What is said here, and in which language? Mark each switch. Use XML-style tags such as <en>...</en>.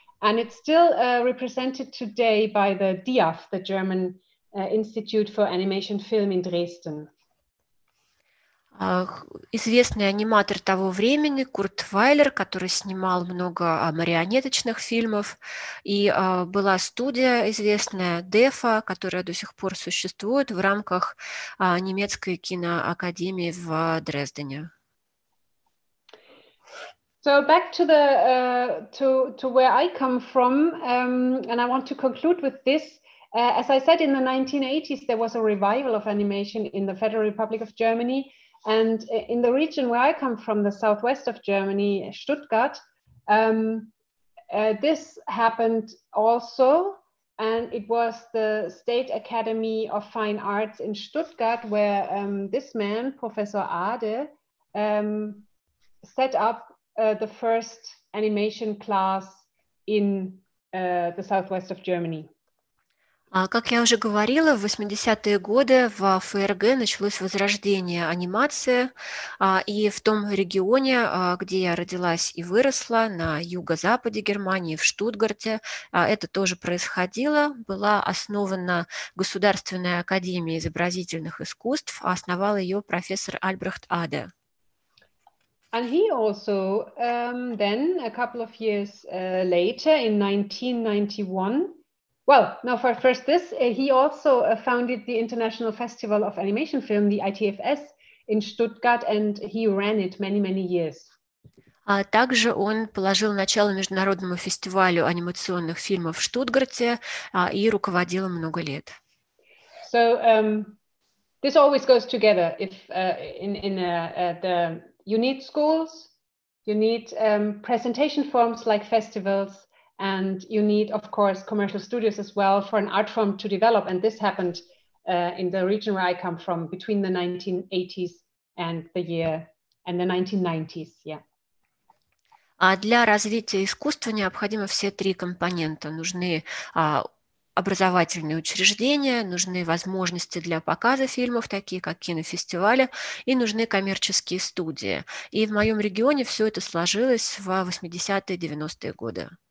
<en>And it's still represented today by the DIAF, the German Institute for Animation Film in Dresden.</en> <ru>Известный аниматор того времени Курт Вайлер, который снимал много марионеточных фильмов, и была студия известная DEFA, которая до сих пор существует в рамках немецкой киноакадемии в Дрездене.</ru> <en>So back to the to where I come from, and I want to conclude with this. As I said, in the 1980s, there was a revival of animation in the Federal Republic of Germany, and in the region where I come from, the southwest of Germany, Stuttgart, this happened also, and it was the State Academy of Fine Arts in Stuttgart where this man, Professor Ade, set up the first animation class in the southwest of Germany.</en> <ru>Как я уже говорила, в 80-е годы в ФРГ началось возрождение анимации, и в том регионе, где я родилась и выросла, на юго-западе Германии, в Штутгарте, это тоже происходило. Была основана Государственная академия изобразительных искусств, основал ее профессор Альбрехт Аде.</ru> <en>And he also then, a couple of years later, in 1991, well, no, for first this, he also founded the International Festival of Animation Film, the ITFS, in Stuttgart, and he ran it many, many years.</en> <ru>Также он положил начало Международному фестивалю анимационных фильмов в Штутгарте и руководил им много лет.</ru> <en>So this always goes together if in the... You need schools, You need presentation forms like festivals, and you need, of course, commercial studios as well for an art form to develop. And this happened in the region where I come from between the 1980s and the year and the 1990s. Yeah.</en> <ru>А для развития искусства необходимы все три компонента. Нужны образовательные учреждения, нужны возможности для показа фильмов, такие как кинофестивали, и нужны коммерческие студии. И в моем регионе все это сложилось в 80-90-е годы.</ru>